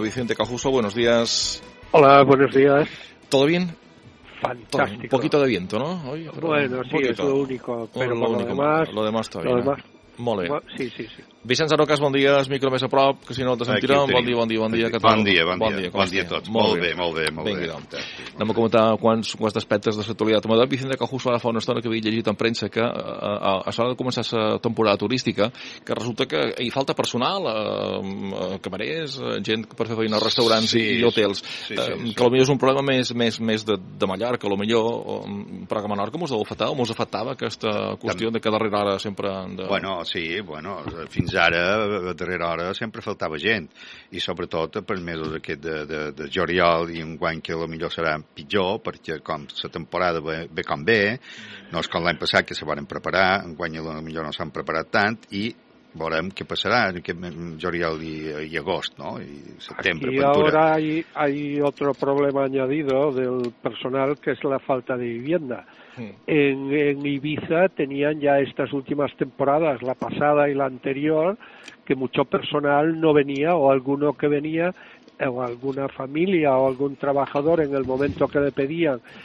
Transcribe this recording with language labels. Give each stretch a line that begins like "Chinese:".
Spanish: Vicente Cajuso, buenos días. Hola, buenos días. ¿Todo bien? Fantástico. Un poquito de viento, ¿no? Oye, pero bueno, sí, poquito. Es lo único, pero lo único, lo demás está bien.
Catalan: Molt bé.
Spanish: Sí.
Catalan: Vicenç Arocas, bon dia, el micro més a prop, que si no te sentirà. Bon dia. Bon dia a tots. Molt bé. Anem a comentar quants aspectes de l'actualitat. M'ha dit Vicenç que just ara fa una estona que havia llegit en premsa que a l'hora de començar la temporada turística, que resulta que hi falta personal, camarers, gent per fer feina a restaurants i hotels, que potser és un problema més de Mallorca, potser, però que a Menorca mos deu afectar, o mos afectava aquesta qüestió de que darrere ara sempre... Sí, fins ara, a darrera hora, sempre faltava gent, i sobretot per mesos aquest de juliol, i un guany que potser serà pitjor, perquè com la temporada ve com ve, no és com l'any passat que se varen preparar, un guany que potser no s'han preparat tant, i veurem què passarà en aquest juliol i agost, no? I setembre, aquí aventura.
Spanish: Ahora hay otro problema añadido del personal, que es la falta de vivienda. En Ibiza tenían ya estas últimas temporadas, la pasada y la anterior, que mucho personal no venía, o alguno que venía, o alguna familia o algún trabajador, en el momento que le pedían